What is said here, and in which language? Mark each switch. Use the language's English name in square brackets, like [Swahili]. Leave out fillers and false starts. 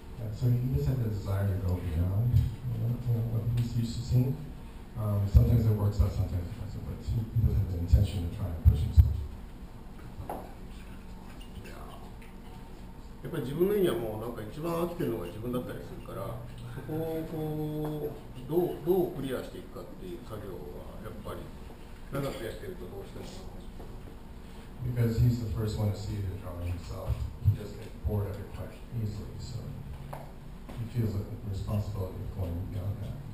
[English] So he does have the desire to go beyond, you know, what he's used to seeing. Sometimes it works out, sometimes it doesn't, but he does have the intention to try and push himself. [Japanese] やっぱり自分の意味はもうなんか一番飽きてるのが自分だったりするから、そこをこうどうクリアしていくかっていう作業はやっぱり長くやってるとどうしても。 [English] Because he's the first one to see the drawing himself, he just gets bored of it quite easily, so he feels a responsibility of going beyond that.